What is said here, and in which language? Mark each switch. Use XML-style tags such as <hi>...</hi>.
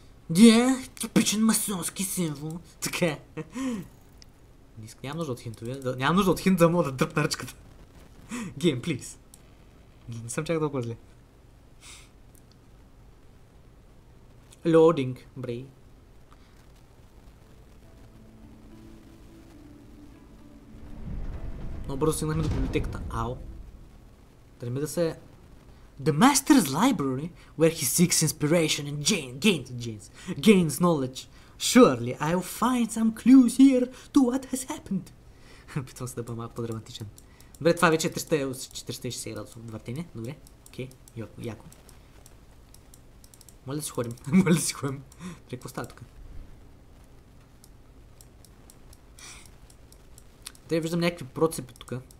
<bg>Да, yeah, типичен масонски символ. Така. Нямам нужда от хинтове, нямам нужда от хинт, за да мога да дръпна ръчката. Гейм, плиз. Не съм чак толкова зле. Лоудинг, брей. Много бързо стигнахме до библиотеката. Ау. Трябва да се...</bg> <en>The Master's Library, where he seeks inspiration and gains knowledge. Surely I'll find some clues here to what has happened.</en> <bg>Питвам се да бъм малко по-драматичен. Добре, това вече е 360 градуса въртене. Добре, окей, okay. Яко. Моля да си ходим, Трябва, какво става тук? Трябва, виждам някакви процепи тук.</bg>